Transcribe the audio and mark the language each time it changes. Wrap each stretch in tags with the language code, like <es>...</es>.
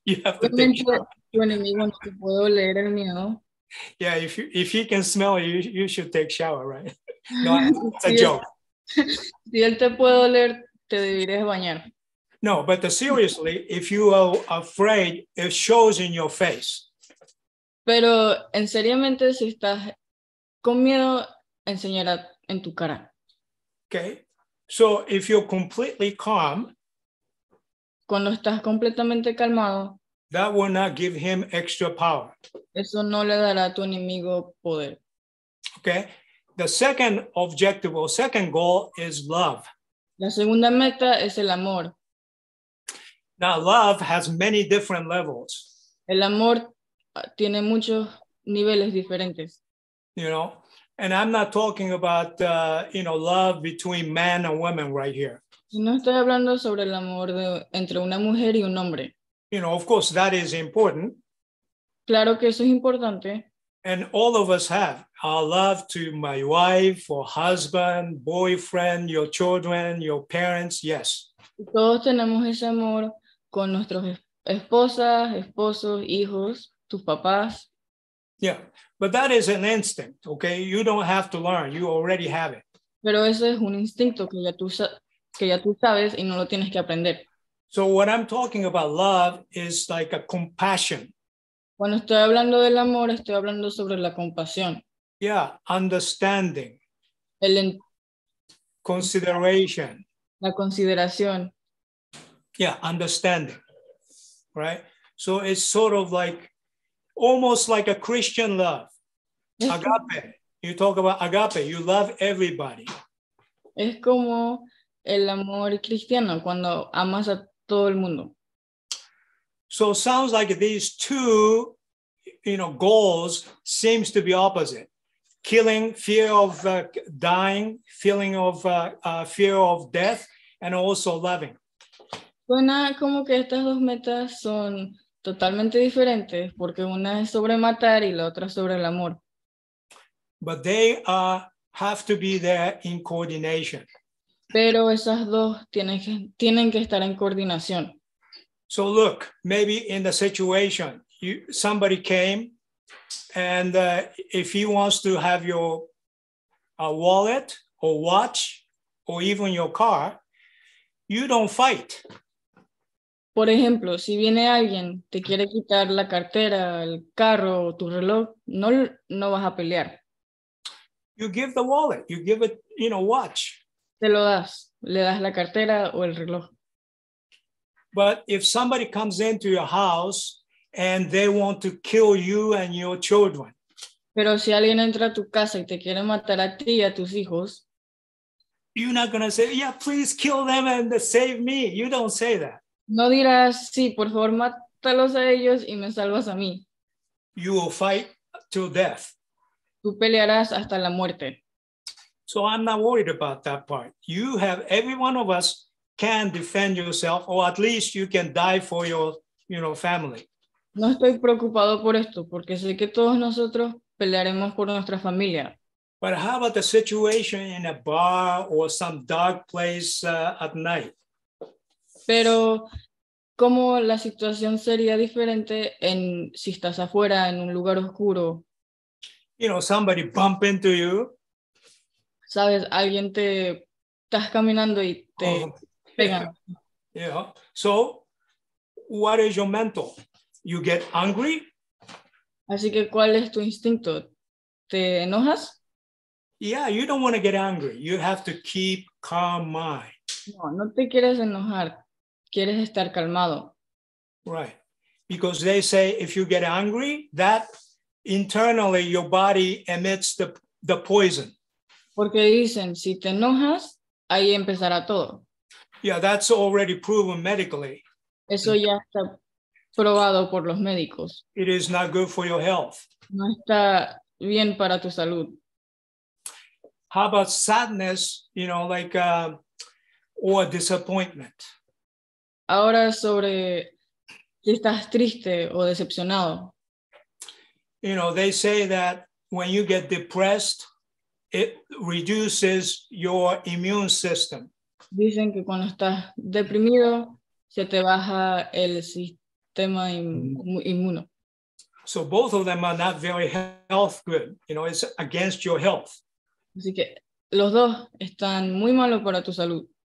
<en>You have to think.</en> <es>Tu enemigo no te puede oler el miedo.</es> <en>Yeah, if he can smell you, you should take shower, right? No, it's a joke.</en> <es>Si él te puede oler, te deberías bañar.</es> <en>No, but seriously, if you are afraid, it shows in your face.</en> <es>Pero en seriamente, si estás con miedo, enseñará en tu cara.</es> <en>Okay, so if you're completely calm,</en> <es>cuando estás completamente calmado,</es> <en>that will not give him extra power.</en> <es>Eso no le dará a tu enemigo poder.</es> <en>Okay, the second objective or second goal is love.</en> <es>La segunda meta es el amor.</es> <en>Now, love has many different levels.</en> <es>El amor tiene muchos niveles diferentes.</es> <en>You know, and I'm not talking about, love between man and woman right here.</en> <es>No estoy hablando sobre el amor entre una mujer y un hombre.</es> <en>You know, of course, that is important.</en> <es>Claro que eso es importante.</es> <en>And all of us have our love to my wife or husband, boyfriend, your children, your parents, yes.</en> <es>Todos tenemos ese amor con nuestros esposas, esposos, hijos, tus papás.</es> <en>Yeah, but that is an instinct, okay? You don't have to learn, you already have it.</en> <es>Pero ese es un instinto que ya tú sabes y no lo tienes que aprender.</es> <en>So what I'm talking about love is like a compassion.</en> <es>Cuando estoy hablando del amor, estoy hablando sobre la compasión.</es> <en>Yeah, understanding. Consideration.</en> <es>La consideración.</es> <en>Yeah, understanding, right? So it's sort of like, almost like a Christian love. Agape. You talk about agape. You love everybody.</en> <es>Es como el amor cristiano, cuando amas a todo el mundo.</es> <en>So it sounds like these two, you know, goals seems to be opposite. Killing, fear of dying, feeling of fear of death, and also loving.</en> <es>Suena como que estas dos metas son totalmente diferentes porque una es sobre matar y la otra sobre el amor.</es> <en>But they have to be there in coordination.</en> <es>Pero esas dos tienen que estar en coordinación.</es> <en>So look, maybe in the situation, somebody came and if he wants to have your wallet or watch or even your car, you don't fight.</en> <es>Por ejemplo, si viene alguien, te quiere quitar la cartera, el carro, tu reloj, no vas a pelear.</es> <en>You give the wallet, you give it, you know, watch.</en> <es>Te lo das, le das la cartera o el reloj.</es> <en>But if somebody comes into your house and they want to kill you and your children.</en> <es>Pero si alguien entra a tu casa y te quiere matar a ti y a tus hijos.</es> <en>You're not going to say, yeah, please kill them and save me. You don't say that.</en> <es>No dirás, sí, por favor, mátalos a ellos y me salvas a mí.</es> <en>You will fight till death.</en> <es>Tú pelearás hasta la muerte.</es> <en>So I'm not worried about that part. You have, every one of us can defend yourself, or at least you can die for your, you know, family.</en> <es>No estoy preocupado por esto, porque sé que todos nosotros pelearemos por nuestra familia.</es> <en>But how about the situation in a bar or some dark place at night?</en> <es>Pero cómo la situación sería diferente si estás afuera en un lugar oscuro.</es> <en>You know, somebody bump into you.</en> <es>Sabes, alguien te estás caminando y te pega.</es> <en>Yeah. So, what is your mental? You get angry?</en> <es>Así que ¿cuál es tu instinto? ¿Te enojas?</es> <en>Yeah, you don't want to get angry. You have to keep calm mind.</en> <es>No te quieres enojar. Quieres estar calmado.</es> <en>Right. Because they say if you get angry, that internally your body emits the poison.</en> <es>Porque dicen, si te enojas, ahí empezará todo.</es> <en>Yeah, that's already proven medically.</en> <es>Eso ya está probado por los médicos.</es> <en>It is not good for your health.</en> <es>No está bien para tu salud.</es> <en>How about sadness? You know, like or disappointment.</en> <es>Ahora sobre si estás triste o decepcionado.</es> <en>You know, they say that when you get depressed, it reduces your immune system.</en> <es>Dicen que cuando estás deprimido, se te baja el sistema inmuno.</es> <en>So both of them are not very health good. You know, it's against your health.</en> <es>Así que los dos están muy malos para tu salud.</es>